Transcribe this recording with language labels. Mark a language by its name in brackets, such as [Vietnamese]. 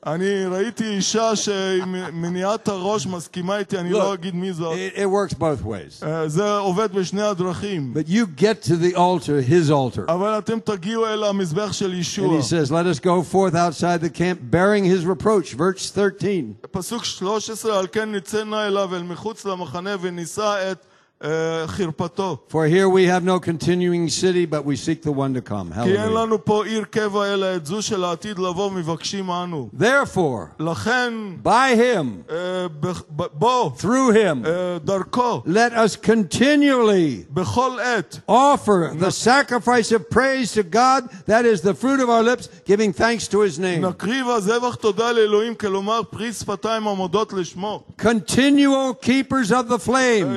[English] Look, it works both ways. But you get to the altar, his altar. And he says, let us go forth outside the camp bearing his reproach. Verse 13. [Hebrew] פסוק 13, על כן ניצאנו אליו אל מחוץ למחנה וניסה את חרפתו. [English] For here we have no continuing city, but we seek the one to come. [Hebrew] כי אין לנו פה עיר קבע אלא את זו של העתיד לבוא מבקשים אנו. [English] Therefore, [Hebrew] לכן, [English] by him, [Hebrew] בו, [English] through him, [Hebrew] דרכו, [English] let us continually [Hebrew] בכל עת [English] offer the sacrifice of praise to God, that is the fruit of our lips, giving thanks to his name. [Hebrew] נקריב הזבח תודה לאלוהים, כלומר פרי שפתיים המודות לשמו. [English] Continual keepers of the flame.